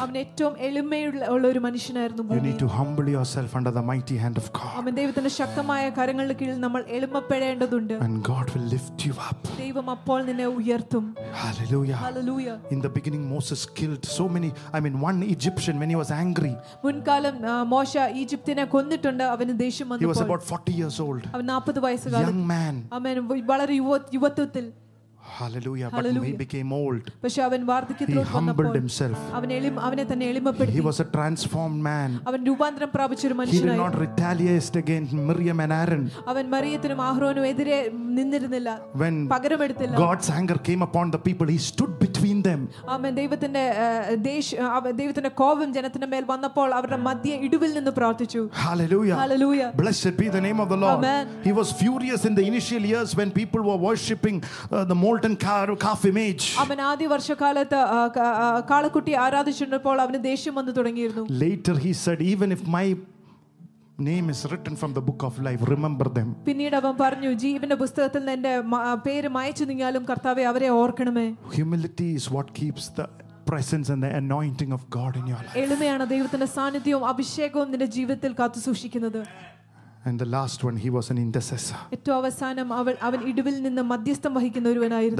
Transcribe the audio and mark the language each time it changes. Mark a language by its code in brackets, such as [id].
[ml] അവൻ ഏറ്റവും എളിമയുള്ള ഒരു മനുഷ്യനായിരുന്നു. [en] You need to humble yourself under the mighty hand of God. [ml] അവൻ ദൈവത്തിന്റെ ശക്തമായ കരങ്ങളുടെ കീഴിൽ നമ്മൾ എളിമപ്പെടേണ്ടതുണ്ട്. [en] And God will lift you up. [ml] ദൈവം അപ്പോൾ നിന്നെ ഉയർത്തും. [en] Hallelujah. Hallelujah. In the beginning Moses killed so many one Egyptian when he was angry. [ml] മുൻകാലം മോശ ഈജിപ്തിനെ കൊന്നിട്ടുണ്ട് അവൻ ദേഷ്യം വന്നപ്പോൾ. [en] He was about 40 years old. [ml] അവൻ 40 വയസ്സുകാരൻ. [en] Young man. [ml] അവൻ വളരെ യുവത്വത്തിൽ. [en] Hallelujah. Hallelujah. But he became old. [ml] പക്ഷെ അവൻ വാർദ്ധക്യത്തിൽ വന്നപ്പോൾ [en] he humbled himself. [ml] അവനെ തന്നെ എളിമപ്പെടുത്തി. [en] He was a transformed man. [ml] അവൻ രൂപാന്തരം പ്രാപിച്ച ഒരു മനുഷ്യനായി. [en] He did not retaliate against Miriam and Aaron. [ml] അവൻ മറിയത്തിനും ആഹ്റോനും എതിരെ നിന്നിരുന്നില്ല. പകരം എടുത്തില്ല. [en] God's anger came upon the people. He stood between them. [ml] അവൻ ദൈവത്തിന്റെ കോപം ജനത്തിന്റെ മേൽ വന്നപ്പോൾ അവരുടെ മധ്യേ ഇടുവിൽ നിന്ന് പ്രാർത്ഥിച്ചു. [en] Hallelujah. Hallelujah. Blessed be the name of the Lord. Amen. He was furious in the initial years when people were worshiping the molten calf image. [ml] അവൻ ആദ്യ വർഷകാലത്ത് കാളക്കുട്ടി ആരാധിച്ചപ്പോൾ അവന് ദേഷ്യം വന്നു തുടങ്ങിയിരുന്നു. [en] Later he said, even if my name is written from the book of life, remember them. [ml] പിന്നീട് അവൻ പറഞ്ഞു, ജീവന്റെ പുസ്തകത്തിൽ എൻ്റെ പേര് മായ്ച്ചു നിങ്ങാലും കർത്താവേ അവരെ ഓർക്കണമേ. [en] Humility is what keeps the presence and the anointing of God in your life. [ml] എളിമയാണ് ദൈവത്തിന്റെ സാന്നിധ്യവും അഭിഷേകവും നിന്റെ ജീവിതത്തിൽ കാത്തു സൂക്ഷിക്കുന്നത്. [en] And the last one, he was an intercessor. [ml] ഏറ്റവും അവസാനം അവൻ ഇടുവിൽ നിന്ന് മധ്യസ്ഥം വഹിക്കുന്ന ഒരുവനായിരുന്നു.